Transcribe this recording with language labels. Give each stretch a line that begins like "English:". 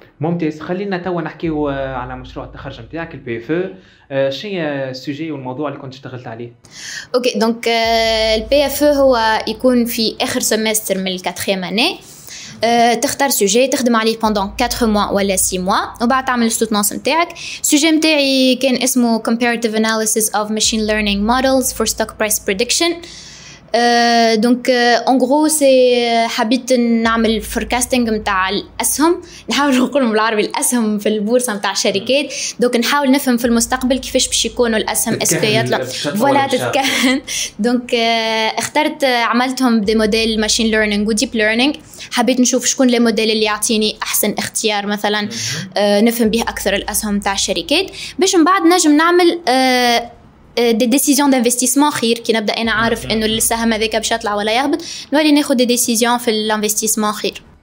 Arabic: ممتاز، خلينا توا نحكيو على مشروع التخرج نتاعك البي اف او، شنو هي السوجي والموضوع اللي كنت اشتغلت عليه؟ اوكي، دونك البي اف او هو يكون في اخر سمستر من الكاتريم اني، تختار سوجي تخدم عليه بوندون 4 موا ولا 6 موا، وبعد تعمل السوتنانس نتاعك. السوجي نتاعي كان اسمه
English: comparative analysis of machine learning models for stock price prediction.
Arabic: دونك ان غرو سي حبيت نعمل فوركاستينغ نتاع الاسهم، نحاول نقول بالعربي الاسهم في البورصه نتاع الشركات، دونك نحاول نفهم في المستقبل كيفاش باش يكونوا الاسهم اسكيات ولا تتكهن. دونك اخترت عملتهم دي موديل ماشين ليرنينغ وديب ليرنينغ، حبيت نشوف شكون لي موديل اللي يعطيني احسن اختيار مثلا نفهم به اكثر الاسهم نتاع الشركات، باش من بعد نجم نعمل دي ديسيزيون دانفستيسمون خير، كي نبدا انا عارف انه السهم هذاك باش يطلع ولا يهبط، نولي ناخذ دي ديسيزيون في الانفستيسمون خير.